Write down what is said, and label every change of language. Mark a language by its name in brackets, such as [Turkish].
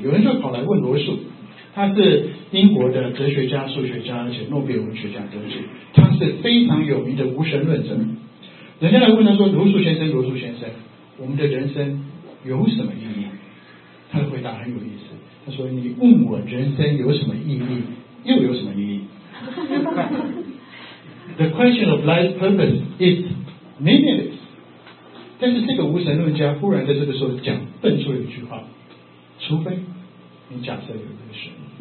[Chinese] 有人就跑来问罗素，他是英国的哲学家、数学家，而且诺贝尔文学奖得主，他是非常有名的无神论者。人家来问他说，罗素先生，我们的人生有什么意义？他的回答很有意思，他说你问我人生有什么意义又有什么意义。 [English] The question of life's purpose is meaningless。 [Chinese] 但是这个无神论家忽然在这个时候讲笨出了一句话，除非你假设有一个神。